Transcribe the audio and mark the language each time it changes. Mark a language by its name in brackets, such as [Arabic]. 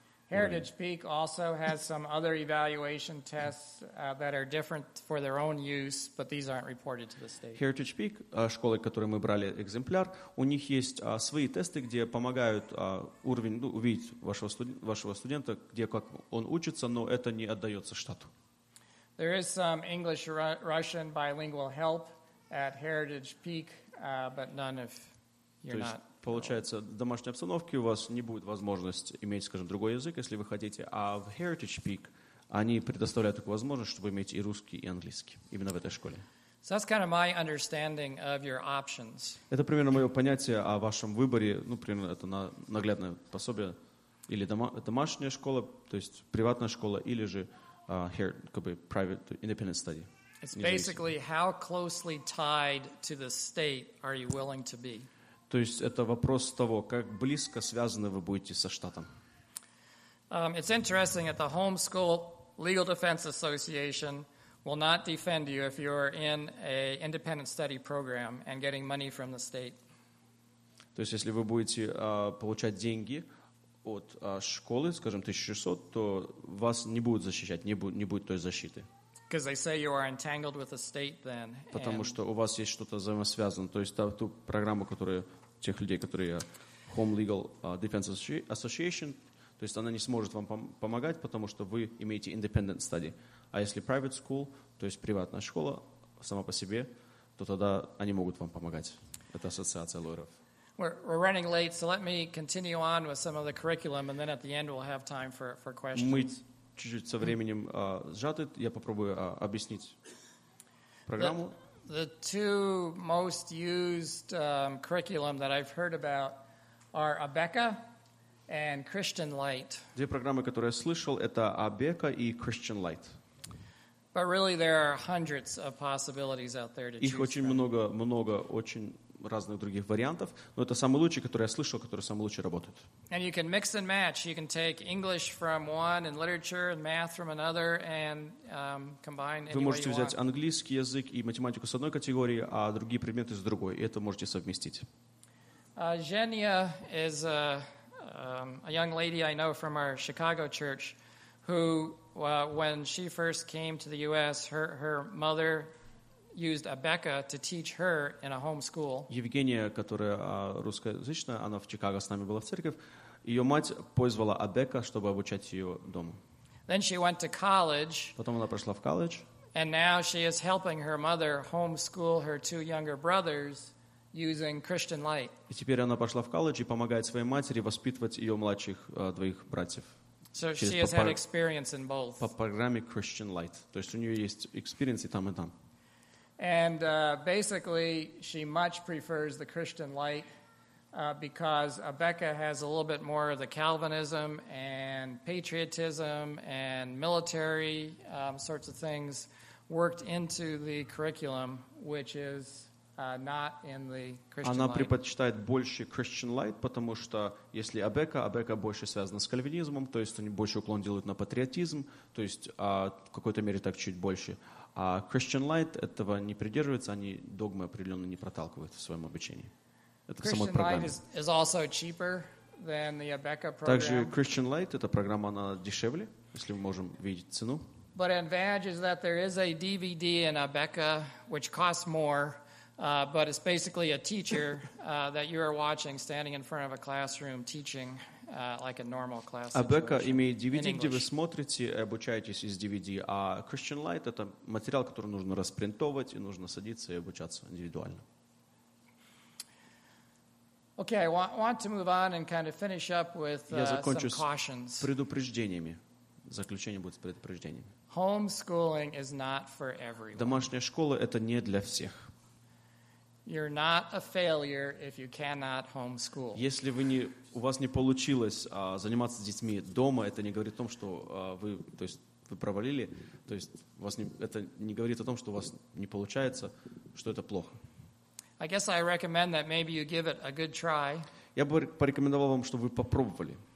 [English] Heritage Peak also has some other evaluation tests that are different for their own use, but these aren't reported to the state. [Russian] Heritage Peak, школы, которые мы брали экземпляр, у них есть свои тесты, где помогают уровень, ну, увидеть вашего студента, где как он учится, но это не отдается штату. [English] There is some English Russian bilingual help at Heritage Peak, but none if you're not. [Russian] Получается, в домашней обстановке у вас не будет возможности иметь, скажем, другой язык, если вы хотите, а в Heritage Peak они предоставляют такую возможность, чтобы иметь и русский, и английский, именно в этой школе. [English] So that's kind of my understanding of your options. [Russian] Это примерно мое понятие о вашем выборе, ну, примерно это наглядное пособие, или домашняя школа, то есть приватная школа, или же как бы [English] private, independent study. It's basically how closely tied to the state are you willing to be? [Russian] То есть это вопрос того, как близко связаны вы будете со штатом. [English] It's interesting that the Homeschool Legal Defense Association will not defend you if you're in a independent study program and getting money from the state. [Russian] То есть если вы будете получать деньги от школы, скажем, 1600, то вас не будут защищать, не будет той защиты. Because they say you are entangled with the state, then. Потому что у вас есть что-то взаимосвязано. То есть ту программу, которую тех людей, которые Home Legal Defense Association, то есть она не сможет вам помогать, потому что вы имеете independent study. А если private school, то есть приватная школа сама по себе, то тогда они могут вам помогать. Это ассоциация лоеров. [English] We're running late, so let me continue on with some of the curriculum, and then at the end we'll have time for questions. [Russian] Мы чуть-чуть со временем сжаты. Я попробую объяснить программу. [English] The two most used curriculum that I've heard about are ABECA and Christian Light. [Russian] Две программы, которые я слышал, это ABECA и Christian Light. [English] But really, there are hundreds of possibilities out there to choose. [Russian] Их очень много, много, очень разных других вариантов. Но это самый лучший, который я слышал, который самый лучший работает. [English] And you can mix and match. You can take English from one and literature and math from another and combine. [Russian] Вы можете взять английский язык и математику с одной категории, а другие предметы с другой. И это можете совместить. [English] Женя is a young lady I know from our Chicago church, who when she first came to the U.S., her mother used ABECA to teach her in a home school. [Russian] Евгения, которая русскоязычная, она в Чикаго с нами была в церковь. Ее мать пользовала ABECA, чтобы обучать ее дома. [English] Then she went to college. [Russian] Потом она прошла в колледж. [English] And now she is helping her mother homeschool her two younger brothers using Christian Light. [Russian] И теперь она пошла в колледж и помогает своей матери воспитывать ее младших двоих братьев. [English] So she has had experience in both. [Russian] По программе Christian Light. То есть у нее есть experience и там, и там. [English] And basically, she much prefers the Christian Light because ABECA has a little bit more of the Calvinism and patriotism and military sorts of things worked into the curriculum, which is not in the Christian [Russian] Она предпочитает больше Christian Light, потому что если ABECA больше связана с кальвинизмом, то есть они больше уклон делают на патриотизм, то есть в какой-то мере так чуть больше. А Christian Light этого не придерживается, они догмы определенно не проталкивают в своем обучении. Это [English] Christian [Russian] в самой программе. [English] Light is also cheaper than the ABECA program. [Russian] Также Christian Light, эта программа, она дешевле, если мы можем видеть цену. [English] But advantage is that there is a DVD in ABECA, which costs more, but it's basically a teacher that you are watching standing in front of a classroom teaching like a normal class. [Russian] ABECA имеет DVD, где вы смотрите и обучаетесь из DVD, а Christian Light — это материал, который нужно распринтовать, и нужно садиться и обучаться индивидуально. [English] Okay, I want to move on and kind of finish up with some cautions. [Russian] Предупреждениями. Заключение будет с предупреждениями. [English] Homeschooling is not for everyone. [Russian] Домашняя школа — это не для всех. [English] You're not a failure if you cannot homeschool. [Russian] Если вы не у вас не получилось заниматься с детьми дома, это не говорит о том, что вы, то есть вы провалили, то есть у вас не это не говорит о том, что у вас не получается, что это плохо. [English] I guess I recommend that maybe you give it a good try. [Russian] Я бы порекомендовал вам, чтобы вы попробовали.